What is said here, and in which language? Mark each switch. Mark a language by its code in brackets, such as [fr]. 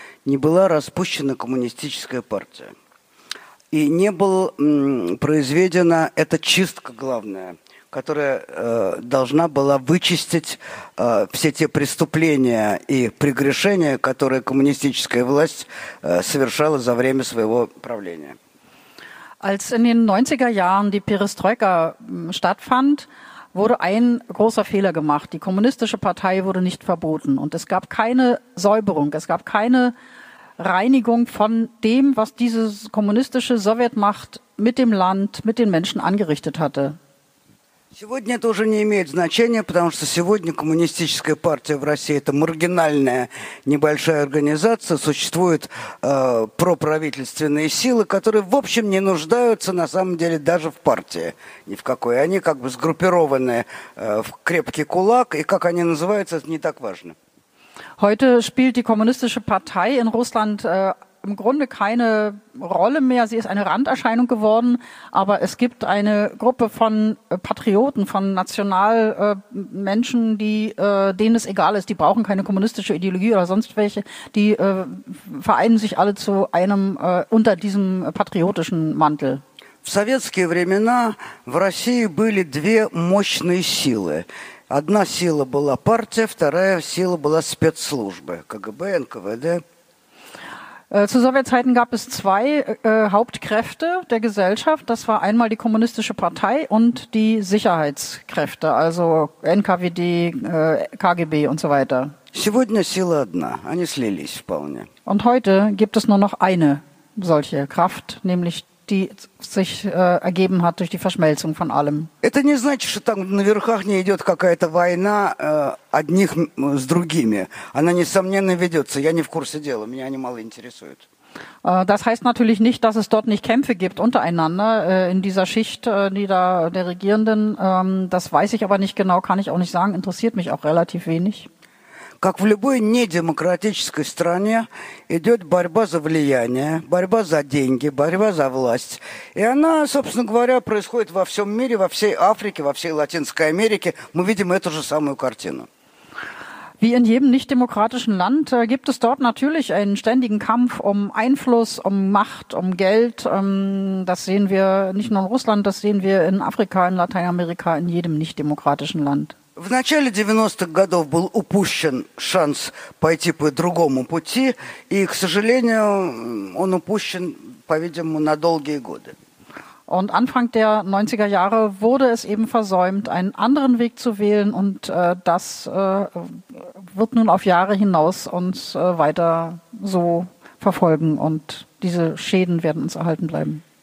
[ru] Не была распущена коммунистическая партия. И не была произведена эта чистка главная, которая должна была вычистить все те преступления и прегрешения, которые коммунистическая власть совершала за время своего правления. [de] Als in den 90er Jahren die Perestroika stattfand, wurde ein großer Fehler gemacht. Die kommunistische Partei wurde nicht verboten und es gab keine Säuberung, es gab keine Reinigung von dem, was diese kommunistische Sowjetmacht mit dem Land, mit den Menschen angerichtet hatte. [ru] Сегодня это уже не имеет значения, потому что сегодня коммунистическая партия в России – это маргинальная небольшая организация, существуют проправительственные силы, которые, в общем, не нуждаются на самом деле даже в партии ни в какой. Они как бы сгруппированы в крепкий кулак, и как они называются, это не так важно. [de] Heute spielt die kommunistische Partei in Russland im Grunde keine Rolle mehr. Sie ist eine Randerscheinung geworden. Aber es gibt eine Gruppe von Patrioten, von Nationalmenschen, denen es egal ist. Die brauchen keine kommunistische Ideologie oder sonst welche. Die vereinen sich alle zu einem unter diesem patriotischen Mantel. [ru] В советские времена в России были две мощные силы. Одна сила была партия, вторая сила была спецслужбы, КГБ, НКВД. [de] Zu Sowjetzeiten gab es zwei Hauptkräfte der Gesellschaft. Das war einmal die kommunistische Partei und die Sicherheitskräfte, also НКВД, КГБ und so weiter. [ru] Сегодня сила одна, они слились вполне. [de] Und heute gibt es nur noch eine solche Kraft, nämlich die sich ergeben hat durch die Verschmelzung von allem. [ru] Это не значит, что там наверхах не идет какая-то война одних с другими. Она несомненно ведется. Я не в курсе дела. Меня они мало интересуют. [de] Das heißt natürlich nicht, dass es dort nicht Kämpfe gibt untereinander in dieser Schicht, die da der Regierenden. Das weiß ich aber nicht genau. Kann ich auch nicht sagen. Interessiert mich auch relativ wenig. [ru] Как в любой недемократической стране идет борьба за влияние, борьба за деньги, борьба за власть. И она, собственно говоря, происходит во всем мире, во всей Африке, во всей Латинской Америке. Мы видим эту же самую картину. [de] Wie in jedem nicht-demokratischen Land gibt es dort natürlich einen ständigen Kampf um Einfluss, um Macht, um Geld. Das sehen wir nicht nur in Russland, das sehen wir in Afrika, in Lateinamerika, in jedem nicht-demokratischen Land. [ru] В начале 90-х годов был упущен шанс пойти по другому пути, и, к сожалению, он упущен, по-видимому, на долгие годы. [de] Und Anfang der 90er Jahre wurde es eben versäumt, einen anderen Weg zu wählen, und das wird nun auf Jahre hinaus uns weiter so verfolgen, und diese Schäden werden uns erhalten bleiben.